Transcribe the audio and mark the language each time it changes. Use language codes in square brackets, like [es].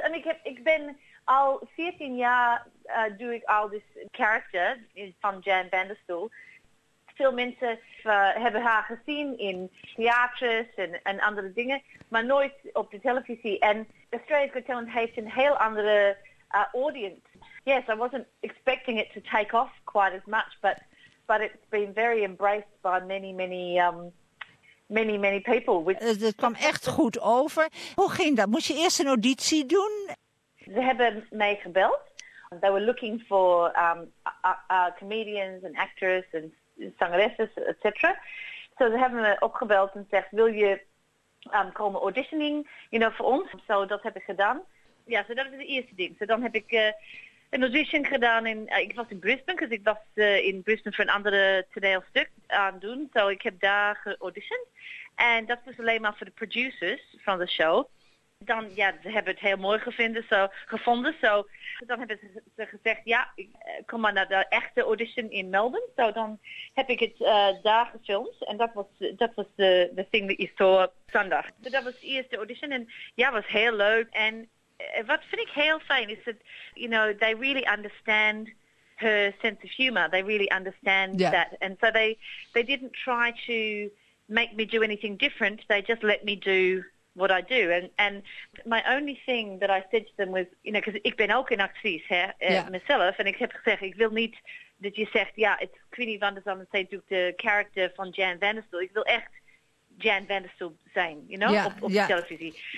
[nl] En ik ben al 14 jaar doe ik al dit character van Jan van der Stoel. Veel mensen hebben haar gezien in theaters en andere dingen, maar nooit op de televisie. En Australia's Got Talent heeft een heel andere audience. [en] Yes, I wasn't expecting it to take off quite as much, but it's been very embraced by many, many many people. [nl] Het kwam echt goed over. Hoe ging dat? Moest je eerst een auditie doen? Ze hebben mij gebeld. [en] They were looking for comedians and actors and zangeressen, etc. [nl] So ze hebben me opgebeld en zegt, wil je komen auditioning, [en] you know, [nl] voor ons? So dat heb ik gedaan. Ja, so dat was het eerste ding. So dan heb ik een audition gedaan in, ik was in Brisbane, because ik was in Brisbane voor een andere toneelstuk aan doen. So ik heb daar geauditioned. En dat was alleen maar voor de producers van de show. Dan, ja, ze hebben het heel mooi gevonden. So, dan hebben ze gezegd, ja, ik kom maar naar de echte audition in Melbourne. So, dan heb ik het daar gefilmd. En dat was de [en] thing that you saw [nl] zondag. So, dat was de eerste audition. En ja, was heel leuk. En wat vind ik heel fijn is dat, [en] you know, they really understand her sense of humor. They really understand that. And so they didn't try to make me do anything different. They just let me do what I do, and my only thing that I said to them was, you know, because [nl] ik ben ook een actrice, hè, myself, and ik heb gezegd, ik wil niet dat je zegt, ja, het is Queenie van der Zand, zij doet de character van Jan van der Stoel. Ik wil echt Jan van der Stoel zijn, [en] you know, [nl] op televisie.